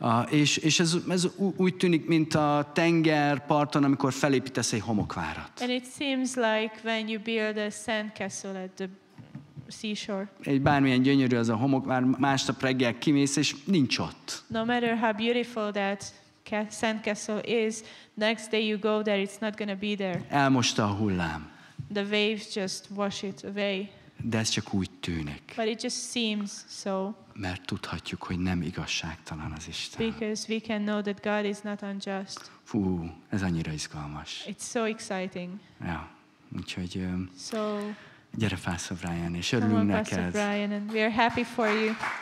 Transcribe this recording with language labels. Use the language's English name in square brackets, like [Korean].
[Hungarian] És ez úgy tűnik, mint a tenger parton, amikor felépítesz egy homokvárat. [English] And it seems like when you build a sandcastle at the seashore. [Hungarian] Egy bármilyen gyönyörű az a homokvár, másnap reggel kimész, és nincs ott. [English] No matter how beautiful that sandcastle is, next day you go there, it's not gonna be there. [Hungarian] Elmosta a hullám. [English] The waves just wash it away. [Hungarian] De ez csak úgy tűnik. [English] But it just seems so. [Hungarian] Mert tudhatjuk, hogy nem igazságtalan az Isten. [English] Because we can know that God is not unjust. [Hungarian] Fú, ez annyira izgalmas. [English] It's so exciting. [Hungarian] Ja, úgyhogy [English] so, [Hungarian] gyere Pastor Brian, és örülünk neked. [English] Come on, Pastor Brian, and we are happy for you.